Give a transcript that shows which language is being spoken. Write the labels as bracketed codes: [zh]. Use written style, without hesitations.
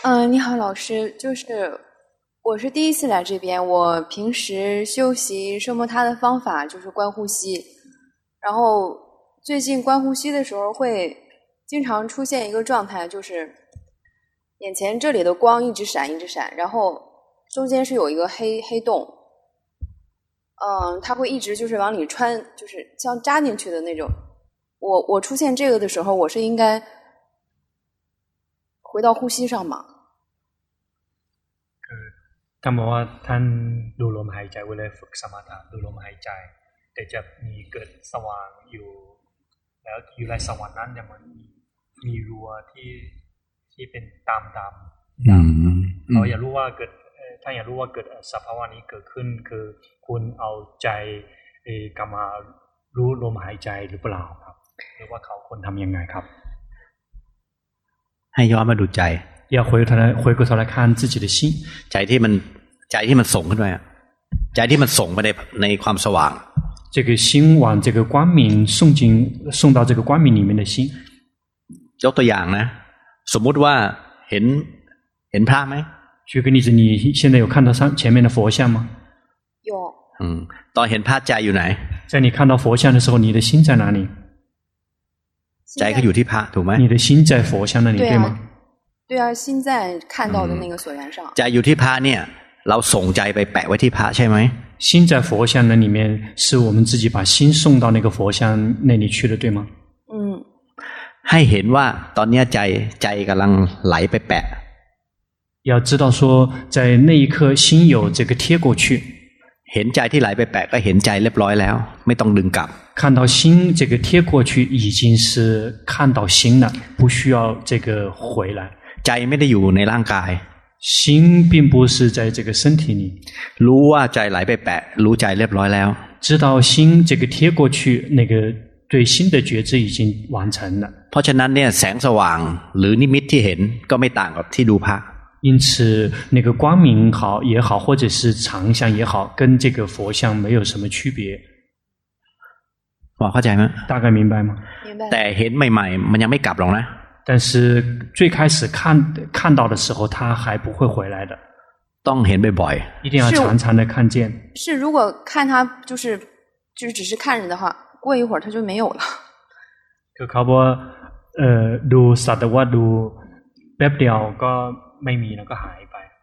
[zh] 你好老师就是我是第一次来这边，我平时修习奢摩他的方法就是观呼吸，然后最近观呼吸的时候会经常出现一个状态，就是眼前这里的光一直闪一直闪，然后中间是有一个黑洞，它会一直就是往里穿，就是像扎进去的那种。我出现这个的时候，我是应该回到呼吸上吗？ [th] ท่านบอกว่าท่านดูลมหายใจเวลาฝึกสมาธิดูลมหายใจแต่จะมีเกิดสว่างอยู่แล้วอยู่ในสว่างนั้นจะมีรัวที่เป็นตามดำเราอยากรู้ว่าเกิดท่านอยากรู้ว่าเกิดสภาวะนี้เกิดขึ้นคือคุณเอาใจกลับมารู้ลมหายใจหรือเปล่าครับหรือว่าเขาควรทำยังไงครับ ให้ย้อนมาดูใจ [zh] 要回头来回过头来看自己的心 [th] 在ที่มันใจที่มันส่งขึ้นไปอ่ะใจที่มันส่งไปในความสว่าง [zh] 这个心往这个光明送到这个光明里面的心 [th] ยกตัวอย่างนะสมมติว่าเห็นพระมั้ย [zh] 举个例子你现在有看到前面的佛像吗有 [th] ตอนเห็นพระใจอยู่ไหน [zh] 在你看到佛像的时候你的心在哪里 [th] ใจก็อยู่ที่พระถูกมั้ย [zh] 你的心在佛像那里 对吗对啊，心在看到的那个所缘上。 [th] 在อยู่ที่พระเนี่ย，เราส่งใจไปแปะไว้ที่พระใช่ไหม？ [zh] 心在佛像那里面，是我们自己把心送到那个佛像那里去的，对吗？嗯。 [th] ให้เห็นว่าตอนนี้ใจกำลังไหลไปแปะ。 [zh] 要知道说，在那一刻心有这个贴过去。 [th] เห็นใจที่ไหลไปแปะก็เห็นใจเรียบร้อยแล้วไม่ต้องดึงกลับ [zh] 看到心这个贴过去已经是看到心了，不需要这个回来。 [th] ใจไม่ได้อยู่ในร่างกาย [zh] 心并不是在这个身体里 [th] รู้ว่าใจไหลไปแปะรู้ใจเรียบร้อยแล้ว [zh] 知道心这个贴过去那个对心的觉知已经完成了 [th] เพราะฉะนั้นเนี่ยแสงสว่างหรือนิมิตที่เห็นก็ไม่ต่างกับที่ดูพระ [zh] 因此那个光明好也好或者是常相也好跟这个佛像没有什么区别 [th] บอกเข้าใจมั้ย [zh] 大概明白吗明白 [th] แต่เห็นใหม่ๆมันยังไม่กลับหรอกนะ [zh] 但是最开始看到的时候他还不会回来的 [th] ต้องเห็นบ่อย [zh] ๆ一定要常常的看见是如果看他就是只是看着的话过一会儿他就没有了 [th] คือเขาบอกดูสัตว์ว่าดูแป๊บเดียวก็ไม่มีแล้วก็หายไป